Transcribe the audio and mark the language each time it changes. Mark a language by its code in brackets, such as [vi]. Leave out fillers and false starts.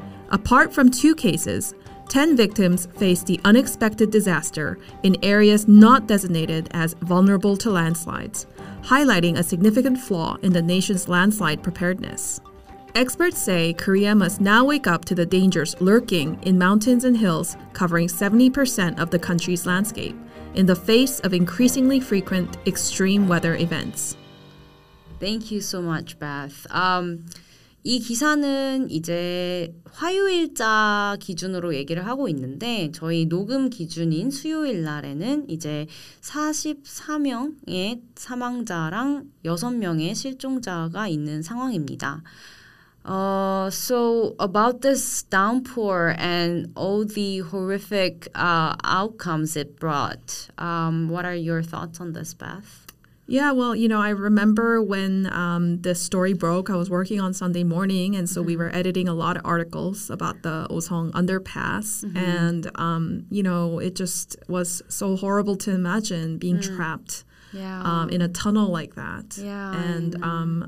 [en] Apart from 2 cases, 10 victims faced the unexpected disaster in areas not designated as vulnerable to landslides, highlighting a significant flaw in the nation's landslide preparedness. Experts say Korea must now wake up to the dangers lurking in mountains and hills covering 70% of the country's landscape in the face of increasingly frequent extreme weather events. Thank you so much, Beth. [ko] 이 기사는 이제 화요일자 기준으로 얘기를 하고 있는데 저희 녹음 기준인 수요일 날에는 이제 43명의 사망자랑 6명의 실종자가 있는 상황입니다. [en] So about this downpour and all the horrific outcomes it brought, what are your thoughts on this, Beth? Yeah, well, you know, I remember when the story broke, I was working on Sunday morning, and so we were editing a lot of articles about the Osong underpass, and, you know, it just was so horrible to imagine being trapped in a tunnel like that.